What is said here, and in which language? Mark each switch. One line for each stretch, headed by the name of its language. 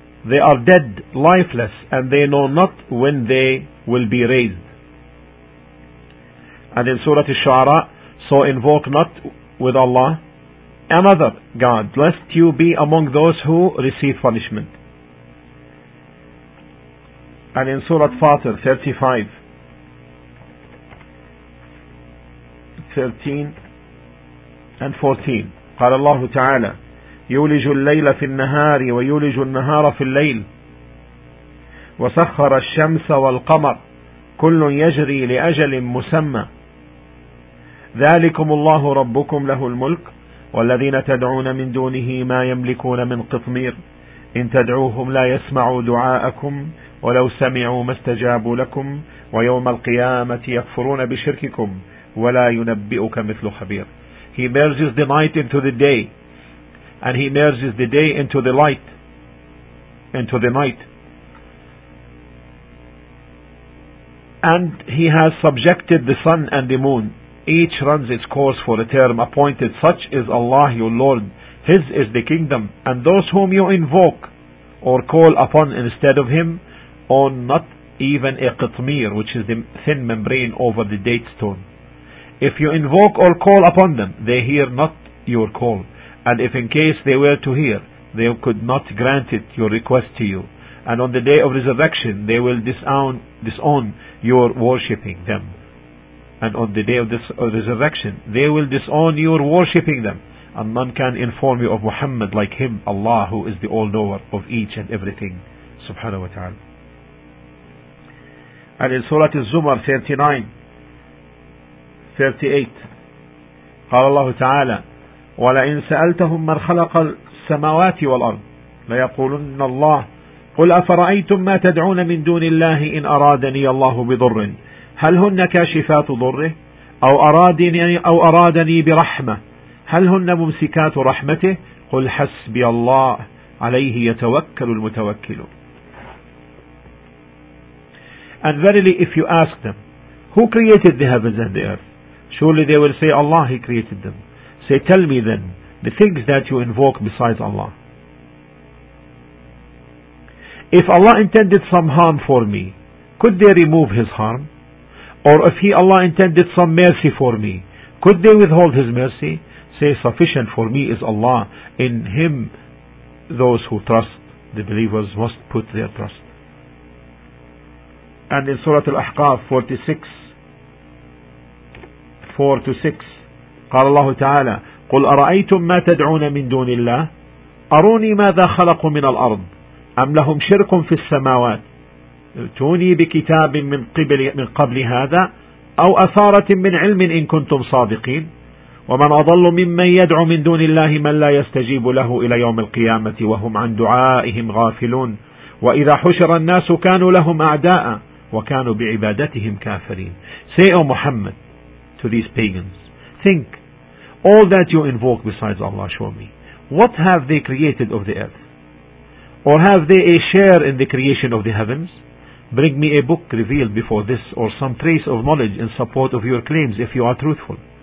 English: They are dead, lifeless, and they know not when they will be raised. And in Surah Al-Shu'ara, so invoke not with Allah another God, lest you be among those who receive punishment. And in Surah Fatir, 35:13-14,
Arabic: قال الله تعالى يولج الليل في النهار ويولج النهار في الليل وسخر الشمس والقمر كل يجري لأجل مسمى ذلكم الله ربكم له الملك والذين تدعون من دونه ما يملكون من قطمير إن تدعوهم لا يسمعوا دعاءكم ولو سمعوا ما استجابوا لكم ويوم القيامة يكفرون بشرككم ولا ينبئك مثل خبير.
English: He merges the night into the day, and he merges the day into the light, into the night. And he has subjected the sun and the moon. Each runs its course for a term appointed. Such is Allah your Lord. His is the kingdom. And those whom you invoke or call upon instead of him own not even a qitmir, which is the thin membrane over the date stone. If you invoke or call upon them, they hear not your call. And if in case they were to hear, they could not grant it, your request to you. And on the day of resurrection, they will disown your worshipping them. And on the day of this resurrection, they will disown your worshipping them. And none can inform you of Muhammad like him, Allah, who is the all-knower of each and everything.
Arabic: Subhanahu wa ta'ala.
English: And in Surah Az-Zumar 39:38,
Arabic: قال الله تعالى ولئن سألتهم من خلق السماوات والأرض ليقولن الله قل أفرأيتم ما تدعون من دون الله إن أرادني الله بضر هل هن كاشفات ضره أو أرادني برحمة هل هن ممسكات رحمته قل حسبي الله عليه يتوكل المتوكل.
English: And verily, if you ask them, who created the heavens and the earth? Surely they will say, Allah, He created them. Say, tell me then, the things that you invoke besides Allah. If Allah intended some harm for me, could they remove His harm? Or if He, Allah, intended some mercy for me, could they withhold His mercy? Say, sufficient for me is Allah. In Him, those who trust, the believers must put their trust. And in Surah Al-Ahqaf 46:4-6,
Arabic: قال الله تعالى قل أرأيتم ما تدعون من دون الله أروني ماذا خلقوا من الأرض أم لهم شرك في السماوات توني بكتاب من قبل هذا أو أثارة من علم إن كنتم صادقين ومن أضل ممن يدعو من دون الله من لا يستجيب له إلى يوم القيامة وهم عن دعائهم غافلون وإذا حشر الناس كانوا لهم أعداء وكانوا بعبادتهم كافرين.
English: Say, O Muhammad, to these pagans, think, all that you invoke besides Allah, show me, what have they created of the earth? Or have they a share in the creation of the heavens? Bring me a book revealed before this, or some trace of knowledge in support of your claims, if you are truthful.